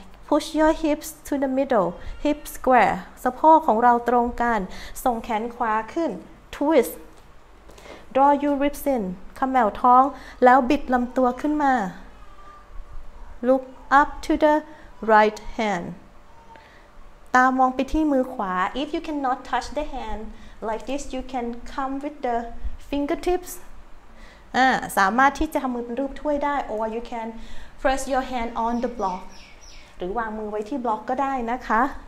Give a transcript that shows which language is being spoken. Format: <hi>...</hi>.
<en>push your hips to the middle hip square</en> <th>สะโพกของเราตรงกันส่งแขนขวาขึ้น</th> <en>twist draw your ribs in</en> <th>ขมวดท้องแล้วบิดลำตัวขึ้นมา</th> <en>Look up to the right hand.</en> <th>ตามองไปที่มือขวา.</th> <en>If you cannot touch the hand like this, you can come with the fingertips.</en> <th>สามารถที่จะทำมือเป็นรูปถ้วยได้</th> <en>or you can press your hand on the block.</en> <th>หรือวางมือไว้ที่บล็อกก็ได้นะคะ.</th>